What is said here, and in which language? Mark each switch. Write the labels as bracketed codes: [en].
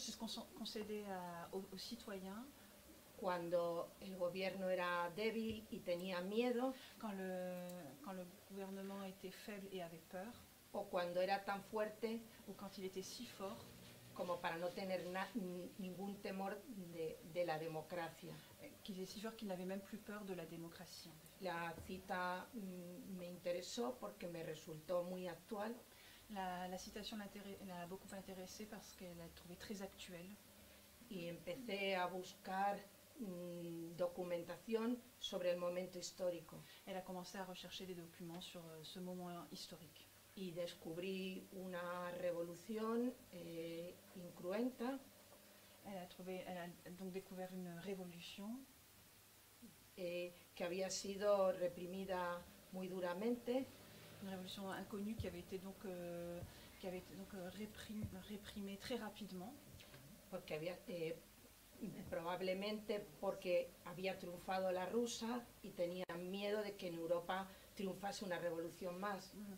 [fr] c'est ce qu'on concédait aux citoyens [es] cuando el gobierno era débil y tenía miedo, [fr] quand le gouvernement était faible et avait peur, [es] o cuando era tan fuerte, [fr] ou quand il était si fort, [es] como para no tener ningún temor de la democracia. [fr] Qu'il est si fort qu'il n'avait même plus peur de la démocratie. [es] La cita me interesó porque me resultó muy actual. [fr] La citation l'a beaucoup intéressé parce qu'elle l'a trouvé très actuelle. [es] Y empecé a buscar documentación sobre el momento histórico. [fr] Elle a commencé à rechercher des documents sur ce moment historique. [es] Y descubrí una revolución incruenta. [fr] Elle a donc découvert une révolution [es] que había sido reprimida muy duramente. [fr] Une révolution inconnue qui avait été réprimée très rapidement. [es] Porque había, probablemente porque había triunfado la rusa y tenían miedo de que en Europa triunfase una revolución más.